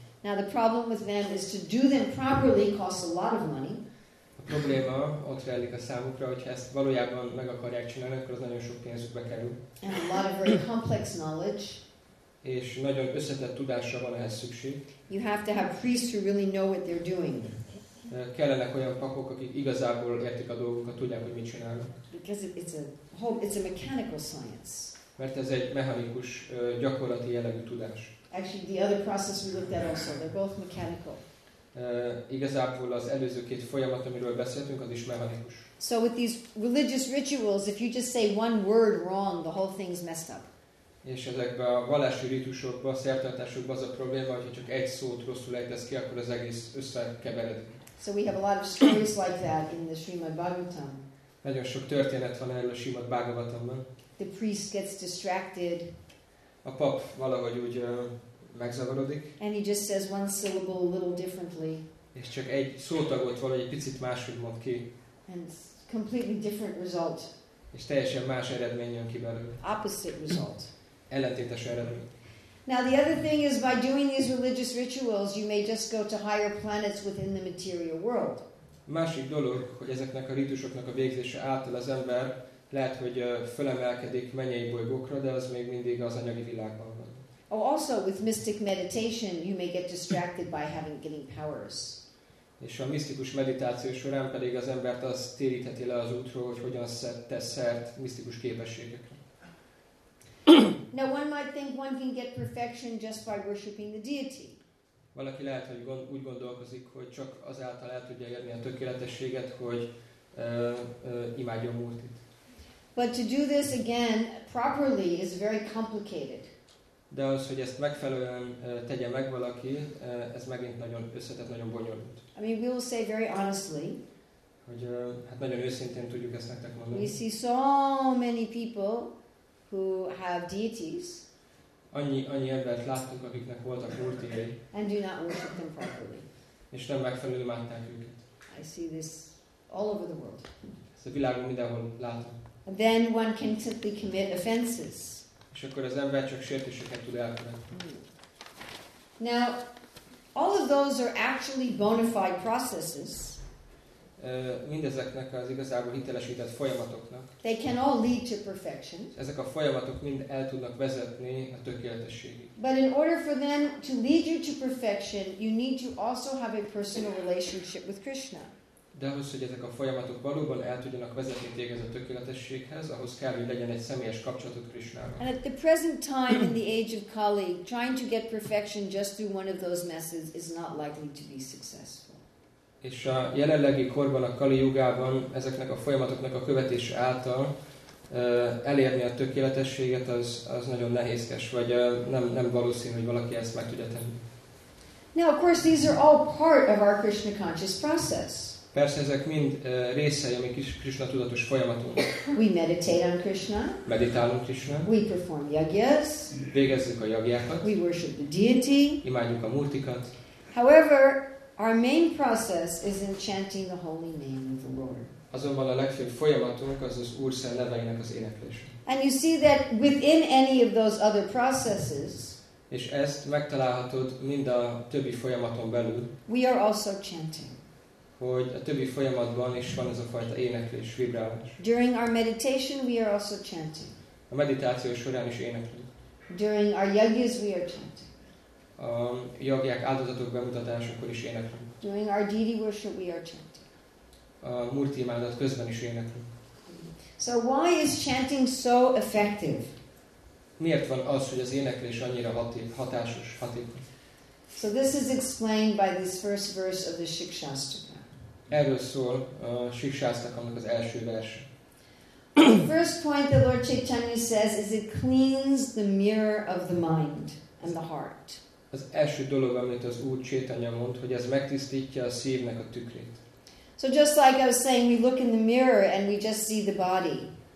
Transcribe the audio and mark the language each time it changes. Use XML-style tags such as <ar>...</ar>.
<en>Now the problem with them is to do them properly costs a lot of money.</en> <hu>A probléma ott rejlik a számukra, hogy ezt valójában meg akarják csinálni, akkor az nagyon sok pénzükbe kerül.</hu> <en>And a lot of very complex knowledge.</en> <hu>És nagyon összetett tudásra van ehhez szükség.</hu> <en>You have to have priests who really know what they're doing.</en> <hu>Kellenek olyan papok, akik igazából értik a dolgokat, tudják, hogy mit csinálnak.</hu> <en>Because it's a mechanical science.</en> <hu>Mert ez egy mechanikus, gyakorlati jellegű tudás.</hu> <en>Actually, the other process we looked at also, they're both mechanical.</en> <hu>Igazából az előző két folyamat, amiről beszéltünk, az is mechanikus.</hu> <en>So with these religious rituals, if you just say one word wrong, the whole thing's messed up.</en> <hu>És ezekben a vallási ritusokban, a szertartásokban az a probléma, hogy csak egy szót rosszul ejtesz ki, akkor az egész összekeveredik.</hu> <en>So we have a lot of stories like that in the Srimad Bhagavatam.</en> <hu>Nagyon sok történet van erről a Srimad Bhagavatamban.</hu> <en>The priest gets distracted.</en> <hu>A pap valahogy úgy megzavarodik.</hu> <en>And he just says one syllable a little differently.</en> <hu>És csak egy szótagot valahogy egy picit máshogy mond ki.</hu> <en>And completely different result.</en> <hu>És teljesen más eredmény jön ki belőle.</hu> <en>Opposite result.</en> <hu>Ellentétes eredmény.</hu> <en>Now the other thing is, by doing these religious rituals, you may just go to higher planets within the material world.</en> <hu>Másik dolog, hogy ezeknek a rítusoknak a végzése által az ember lehet, hogy fölemelkedik mennyei bolygókra, de az még mindig az anyagi világban van.</hu> <en>Oh, also with mystic meditation, you may get distracted by having getting powers.</en> <hu>És a misztikus meditáció során pedig az embert az térítheti le az útról, hogy hogyan tesz szert misztikus képességekre.</hu> <en>Now one might think one can get perfection just by worshiping the deity.</en> <hu>Valaki lehet, hogy úgy gondolkozik, hogy csak azáltal el tudja érni a tökéletességet, hogy imádjon Murtit.</hu> <en>But to do this again properly is very complicated.</en> <hu>De az, hogy ezt megfelelően tegye meg valaki, ez megint nagyon összetett, nagyon bonyolult.</hu> <en>I mean, we will say very honestly.</en> <hu>Hogy hát nagyon őszintén tudjuk ezt nektek mondani.</hu> <en>We see so many people who have deities.</en> <hu>Annyi embert láttunk, akiknek voltak murtijai.</hu> <en>And do not worship them properly.</en> <hu>És nem megfelelően imádták őket.</hu> <en>I see this all over the world.</en> <hu>Ezt a világon mindenhol látom.</hu> <en>And then one can simply commit offenses.</en> <hu>És akkor az ember csak sértéseket tud elkövetni.</hu> <en>Now, all of those are actually bona fide processes.</en> <hu>Mindezeknek az igazából hitelesített folyamatoknak.</hu> <en>They can all lead to perfection.</en> <hu>Ezek a folyamatok mind el tudnak vezetni a tökéletességig.</hu> <en>But in order for them to lead you to perfection, you need to also have a personal relationship with Krishna.</en> <hu>De ahhoz, hogy ezek a folyamatok valóban el tudjanak vezetni téged a tökéletességhez, ahhoz kell, hogy legyen egy személyes kapcsolatod Krishnával.</hu> <en>And at the present time in the age of Kali, trying to get perfection just through one of those messes is not likely to be successful.</en> <hu>És a jelenlegi korban, a Kali Yugában ezeknek a folyamatoknak a követése által elérni a tökéletességet, az nagyon nehézkes, vagy nem valószínű, hogy valaki ezt meg tudja tenni.</hu> <en>Now, of course, these are all part of our Krishna conscious process.</en> <hu>Persze, ezek mind részei a mi Krishna tudatos folyamatunk.</hu> <en>We meditate on Krishna.</en> <hu>Meditálunk Krishna.</hu> <en>We perform yagyas.</en> <hu>Végezzük a yagyákat.</hu> <en>We worship the deity.</en> <hu>Imádjuk a murtikat.</hu> <en>However, our main process is in chanting the holy name of the Lord.</en> <hu>Azonban a legfőbb folyamatunk az Úr Szent neveinek az éneklése.</hu> <en>And you see that within any of those other processes.</en> <hu>És ezt megtalálhatod mind a többi folyamaton belül.</hu> <en>We are also chanting.</en> <hu>Hogy a többi folyamatban is van ez a fajta éneklés, vibrálás.</hu> <en>During our meditation we are also chanting.</en> <hu>A meditáció során is éneklünk.</hu> <en>During our yagyas we are chanting.</en> <hu>A jagják áldozatok bemutatásakor is éneklünk.</hu> <en>During our deity worship we are chanting.</en> <hu>A murti imádat közben is éneklünk.</hu> <en>So why is chanting so effective?</en> <hu>Miért van az, hogy az éneklés annyira hatásos, hatékony?</hu> <en>So this is explained by this first verse of the Shikshastaka.</en> <hu>Erről szól a Shikshastakának az első verse.</hu> <en>The first point that Lord Chaitanya says is it cleans the mirror of the mind and the heart.</en> <hu>Az első dolog, amit az Úr Chaitanya mond, hogy ez megtisztítja a szívnek a tükrét.</hu> <en>So just like I was saying, we look in the mirror and we just see the body.</en>